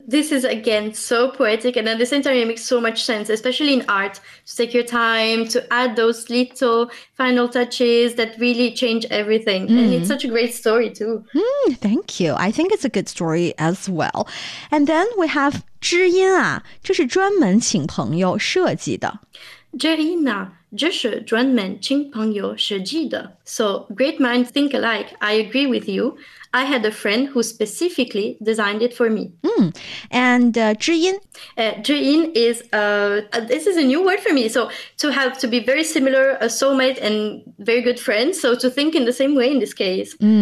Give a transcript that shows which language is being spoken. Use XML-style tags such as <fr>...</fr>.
<en>This is, again, so poetic, and at the same time, it makes so much sense, especially in art, to take your time to add those little final touches,that really change everything. And it's such a great story too. Thank you. I think it's a good story as well. And then we have</en> <zh>知音啊，这是专门请朋友设计的。知音啊，这是专门请朋友设计的。</zh> <en>So great minds think alike. I agree with you. I had a friend who specifically designed it for me. And 知音. 知音 is, this is a new word for me. So to have to be very similar, a soulmate and very good friend. So to think in the same way in this case.</en>